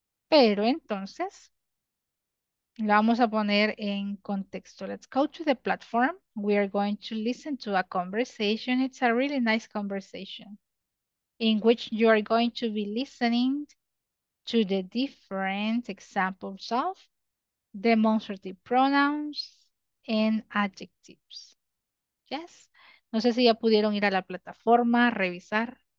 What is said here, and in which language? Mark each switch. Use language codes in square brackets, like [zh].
[es] Pero entonces, lo vamos a poner en contexto. [en] Let's go to the platform. We are going to listen to a conversation. It's a really nice conversation in which you are going to be listening to the different examples of demonstrative pronouns and adjectives. Yes? [es] No sé si ya pudieron ir a la plataforma a revisar.